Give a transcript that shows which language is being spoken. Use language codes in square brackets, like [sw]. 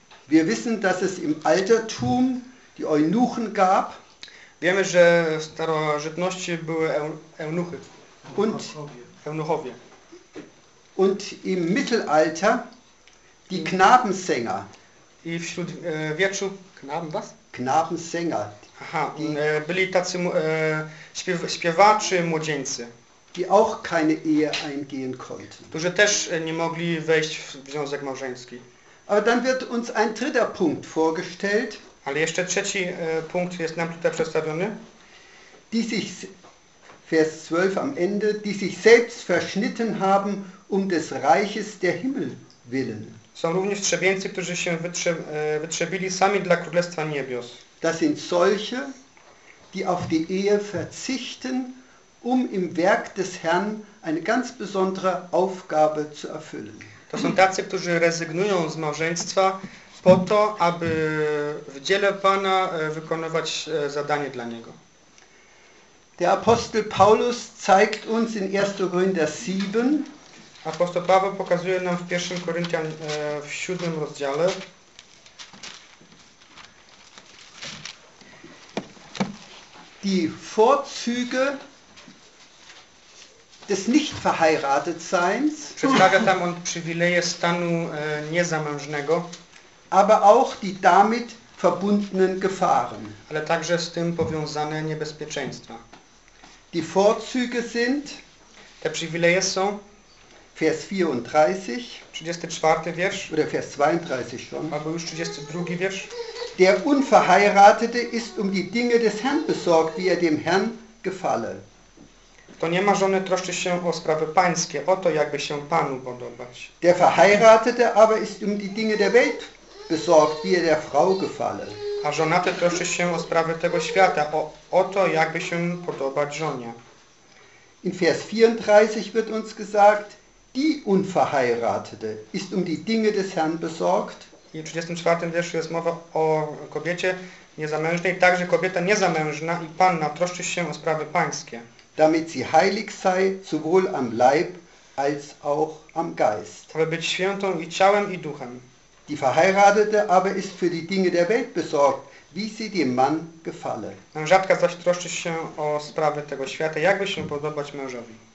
[de] Wir wissen, dass es im Altertum die Eunuchen gab. [pl] Wiemy, że w starożytności były eunuchy. [de] Und [pl] eunuchowie. [de] Und im Mittelalter die Knabensänger. [pl] I wśród wieczu [de] Knaben was? Knabensänger. [pl] Aha, byli tacy śpiewacze młodzieńcy, [de] die auch keine Ehe eingehen konnten. [pl] Którzy też nie mogli wejść w związek małżeński. [de] Aber dann wird uns ein dritter Punkt vorgestellt. [pl] Ale jeszcze trzeci punkt jest nam tutaj przedstawiony. [de] Die sich, Vers 12 am Ende, die sich selbst verschnitten haben um des Reiches der Himmel willen. [pl] Są również trzebieńcy, którzy się wytrzebili sami dla Królestwa Niebios. [de] Das sind solche, die auf die Ehe verzichten, um im Werk des Herrn eine ganz besondere Aufgabe zu erfüllen. [pl] To są tacy, którzy rezygnują z małżeństwa po to, aby w dziele Pana wykonywać zadanie dla Niego. [de] Der Apostel Paulus zeigt uns in 1. Korinther 7. [pl] Apostoł Paweł pokazuje nam w 1. Koryntian w 7 rozdziale. [de] Die Vorzüge des Nichtverheiratetseins. [pl] Przedstawia tam on przywileje stanu niezamężnego. [de] Aber auch die damit verbundenen Gefahren. [pl] Ale także z tym powiązane niebezpieczeństwa. [de] Die Vorzüge sind. [pl] Te przywileje są. [de] Vers 34. [pl] 34. Wiersz. [de] Oder Vers 32 schon. [pl] Albo już 32. Wiersz. [de] Der Unverheiratete ist um die Dinge des Herrn besorgt, wie er dem Herrn gefalle. [pl] Kto nie ma żony, troszczy się o sprawy pańskie, o to, jakby się Panu podobać. [de] Der Verheiratete aber ist um die Dinge der Welt besorgt, wie er der Frau gefalle. [pl] A żonaty troszczy się o sprawy tego świata, o to, jakby się podobać żonie. [de] In Vers 34 wird uns gesagt, die Unverheiratete ist um die Dinge des Herrn besorgt. [pl] I w 34. wierszu jest mowa o kobiecie niezamężnej, także kobieta niezamężna i panna troszczy się o sprawy pańskie. [de] Damit sie heilig sei, sowohl am Leib, als auch am Geist. [pl] Aby być świętą i ciałem, i duchem. [de] Die Verheiratete aber ist für die Dinge der Welt besorgt, wie sie dem Mann gefalle. [pl] Mężatka zaś troszczy się o sprawy tego świata, jakby się podobać mężowi.